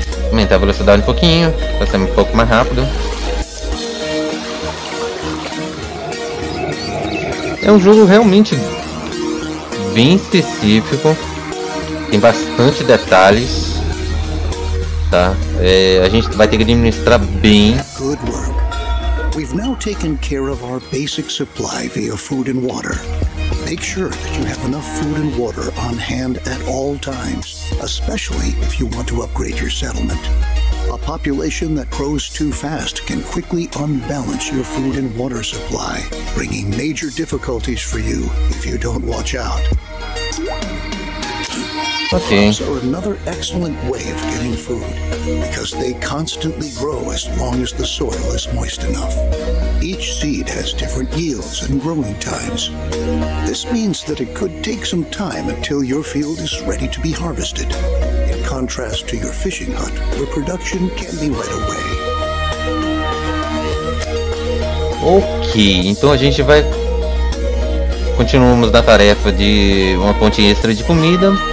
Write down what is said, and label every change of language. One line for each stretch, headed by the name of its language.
Portuguese: Aumentar a velocidade um pouquinho, pra ser um pouco mais rápido. É um jogo realmente bem específico, tem bastante detalhes, tá? A gente vai ter que administrar bem.
English: Good work. We've now taken care of our basic supply via food and water. Make sure that you have enough food and water on hand at all times, especially if you want to upgrade your settlement. A population that grows too fast can quickly unbalance your food and water supply, bringing major difficulties for you if you don't watch out. Okay. Crops are another excellent way of getting food, because they constantly grow as long as the soil is moist enough. Each seed has different yields and growing times. This means that it could take some time until your field is ready to be harvested, in contrast to your fishing hut, where production can be right away.
Portuguese: Okay, então a gente vai... Continuamos na tarefa de uma ponte extra de comida.